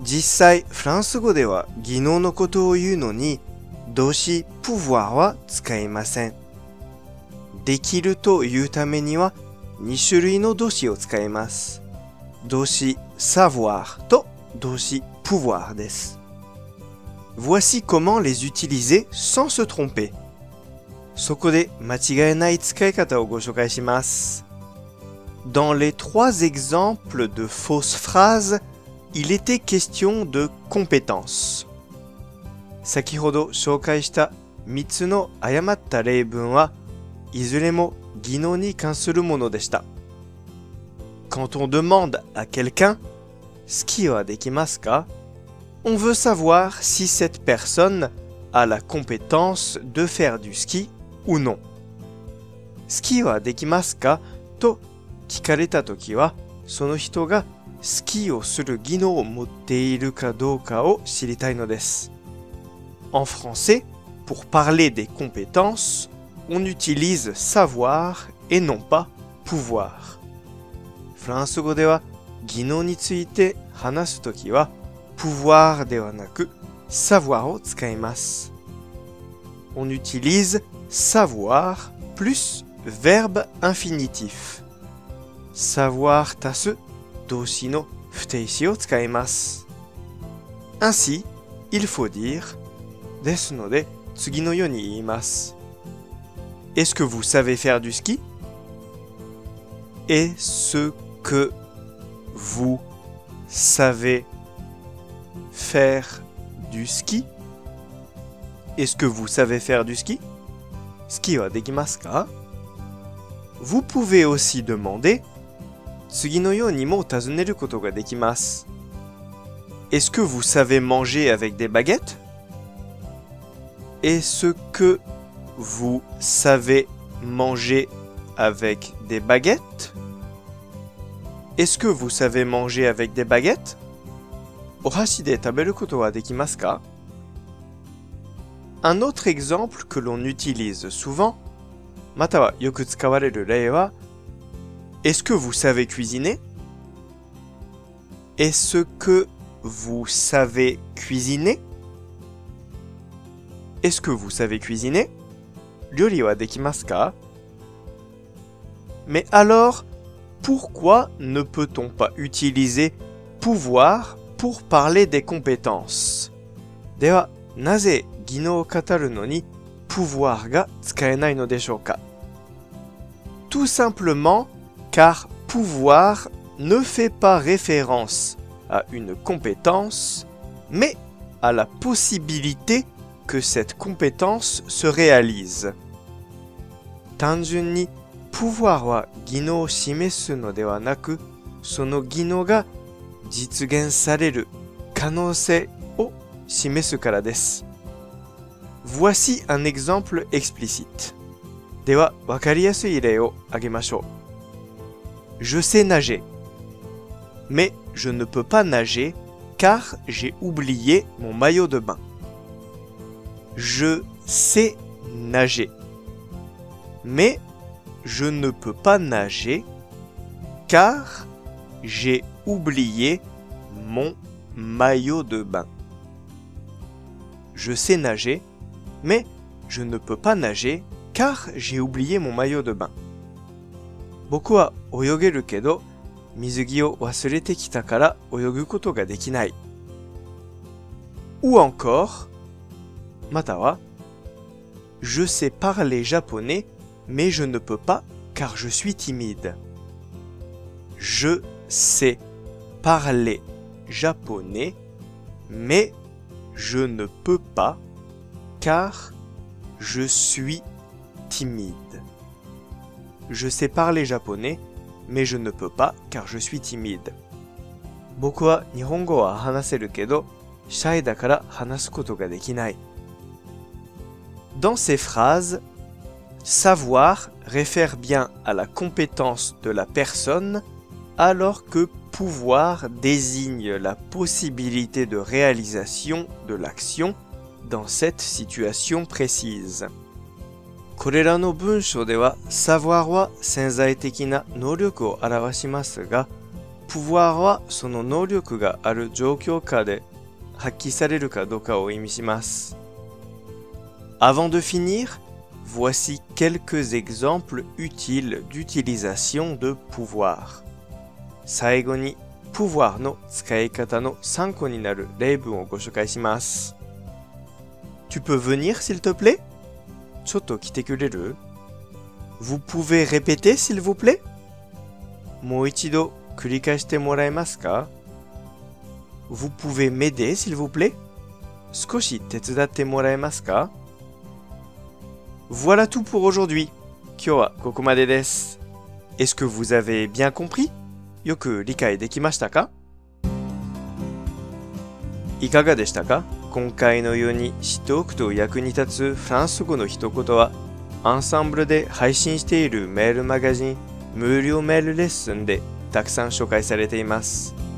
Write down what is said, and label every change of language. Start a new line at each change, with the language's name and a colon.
Japanese: 実際、フランス語では技能のことを言うのに、動詞「pouvoir」は使いません。できるというためには、2種類の動詞を使います。動詞「savoir」と動詞「pouvoir」です。
French: Voici comment les utiliser sans se tromper.
Japanese: そこで間違えない使い方をご紹介します。
French: Dans les trois exemples de fausses phrases, il était question de compétences.
Japanese: 先ほど紹介した3つの誤った例文は、いずれも技能に関するものでした。
French: Quand on demande à quelqu'un,
Japanese: スキーはできますか?
French: On veut savoir si cette personne a la compétence de faire du ski ou non.
Japanese: スキーはできますか? と聞かれたときは、その人がスキーをする技能を持っているかどうかを知りたいのです。
French: En français, pour parler des compétences, on utilise savoir et non pas pouvoir.
Japanese: フランス語では、技能について話すときは、pouvoir ではなく savoir を使います。
French: On utilise savoir plus verbe infinitif.
Japanese: Savoir 足す動詞の不定詞を使います。
French: Ainsi, il faut dire
Japanese: ですので次のように言います。
French: Est-ce que vous savez faire du ski? Est-ce que vous savez faire du ski? Est-ce que vous savez faire du ski?
Japanese: スキーはできますか?
French: Vous pouvez aussi demander
Japanese: 次のようにも尋ねることができます。
French: Est-ce que vous savez manger avec des baguettes? Est-ce que vous savez manger avec des baguettes? Est-ce que vous savez manger avec des baguettes?
Japanese: お箸で食べることはできますか?
French: Un autre exemple que l'on utilise souvent,
Japanese: またはよく使われる例は、
French: Est-ce que vous savez cuisiner? Est-ce que vous savez cuisiner? Est-ce que vous savez cuisiner?
Japanese: 料理はできますか?
French: Mais alors, pourquoi ne peut-on pas utiliser pouvoir pour parler des compétences?
Japanese: では、なぜ技能を語るのに pouvoir が使えないのでしょうか?
French: Tout simplement, car pouvoir ne fait pas référence à une compétence, mais à la possibilité que cette compétence se réalise.
Japanese: 単純に pouvoir は技能を示すのではなく、その技能が実現される可能性を示すからです。
French: Voici un exemple explicite.
Japanese: では、わかりやすい例を挙げましょう。
French: Je sais nager, mais je ne peux pas nager car j'ai oublié mon maillot de bain. Je sais nager, mais je ne peux pas nager car j'ai oublié mon maillot de bain. Je sais nager, mais je ne peux pas nager car j'ai oublié mon maillot de bain.
Japanese: 僕は泳げるけど、水着を忘れてきたから泳ぐことができない。
French: Ou encore,
Japanese: または、
French: Je sais parler japonais, mais je ne peux pas car je suis timide. Je sais parler japonais, mais je ne peux pas car je suis timide. Je sais parler japonais, mais je ne peux pas car je suis timide.
Japanese: 僕は日本語は話せるけど、シャイだから話すことができない。
French: Dans ces phrases, savoir réfère bien à la compétence de la personne, alors que pouvoir désigne la possibilité de réalisation de l'action dans cette situation précise.
Japanese: これらの文章では savoir は潜在的な能力を表しますが pouvoir はその能力がある状況下で発揮されるかどうかを意味します。
French: Avant de finir, voici quelques exemples utiles d'utilisation de pouvoir.
Japanese: 最後に pouvoir の使い方の参考になる例文をご紹介します。
French: Tu peux venir s'il te plaît?
Japanese: ちょっと来てくれる?
French: Vous pouvez répéter s'il vous plaît?
Japanese: もう一度繰り返してもらえますか?
French: Vous pouvez m'aider s'il vous plaît?
Japanese: 少し手伝ってもらえますか?
French: Voilà tout pour aujourd'hui.
Japanese: 今日はここまでです。
French: Est-ce que vous avez bien compris?
Japanese: よく理解できましたか? いかがでしたか?今回のように知っておくと役に立つフランス語の一言は、アンサンブルで配信しているメールマガジン、無料メールレッスンでたくさん紹介されています。